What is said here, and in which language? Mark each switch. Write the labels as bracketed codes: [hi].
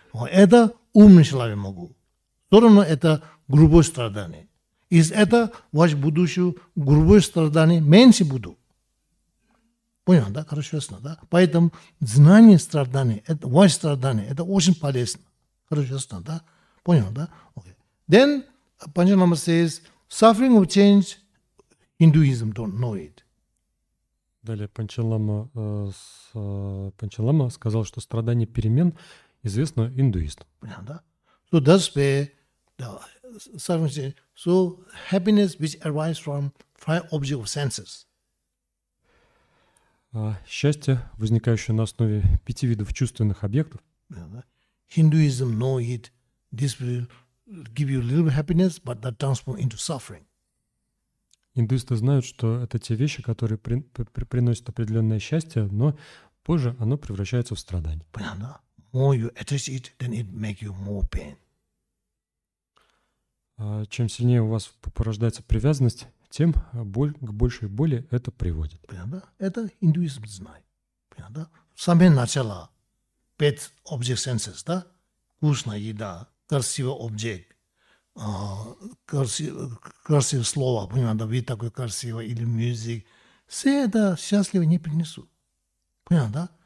[ru] Это умный человек могу. Все равно это грубое страдание. Из это ваше будущее грубое страдание меньше буду. Понял, да? Хорошо, ясно, да? Поэтому знание страдания, это ваше страдание, это очень полезно. Rajasthana, да? Понял, да? Okay. [en] Then, Panchanama says, suffering of change, Hinduism don't know it. [ru] Далее Панчалама сказал, что страдание перемен известно индуистам. Понятно, да? [en] So that's where the suffering says, so happiness which arises from five objects of senses. [ru] Счастье, возникающее на основе пяти видов чувственных объектов. [en] Hinduism know it. This will give you a little happiness, but that transforms into suffering. [ru] Индуисты знают, что это те вещи, которые приносят определенное счастье, но позже оно превращается в страдание. Понятно? [en] More you attach it, then it make you more pain. [ru] Чем сильнее у вас порождается привязанность, тем к большей боли это приводит. Понятно? Это индуизм знает. Понятно? Самое начало. Пять object senses, да? Вкусная еда, красивый объект. Красивое слово, понимаете, вид такой красивый, или мюзик, все это счастливо не принесут. Понятно, да?